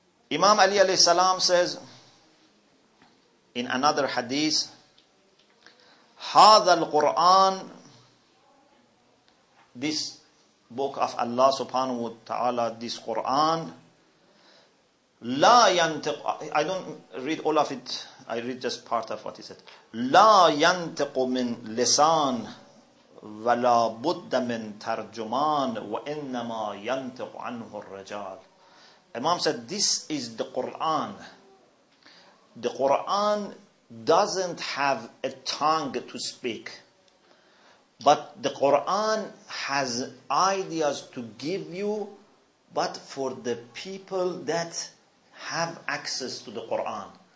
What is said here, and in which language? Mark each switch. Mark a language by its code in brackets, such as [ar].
[en] Imam Ali alayhi salam says in another hadith, هذا القرآن, this book of Allah subhanahu wa ta'ala, this Quran, لا ينطق, I don't read all of it, I read just part of what he said. [ar] لا ينطق من لسان ولا بد من ترجمان وإنما ينطق عنه الرجال. [en] Imam said, this is the Quran. The Quran doesn't have a tongue to speak. But the Quran has ideas to give you, but for the people that have access to the Quran.